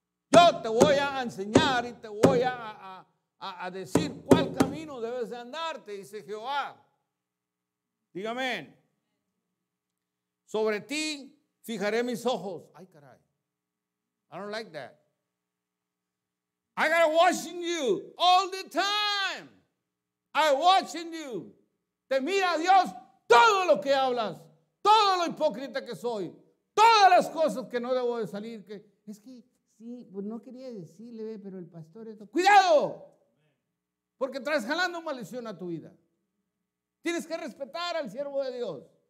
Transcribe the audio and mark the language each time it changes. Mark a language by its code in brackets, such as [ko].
[es] Yo te voy a enseñar y te voy a decir cuál camino debes de andar, te dice Jehová. Dígame. Sobre ti fijaré mis ojos. Ay, caray. [en] I don't like that. I got watching you all the time. I'm watching you. [es] Te mira Dios todo lo que hablas, todo lo hipócrita que soy, todas las cosas que no debo de salir. Que es que sí, pues no quería decirle, pero el pastor es. ¡Cuidado! Porque traes jalando maldición a tu vida. Tienes que respetar al siervo de Dios.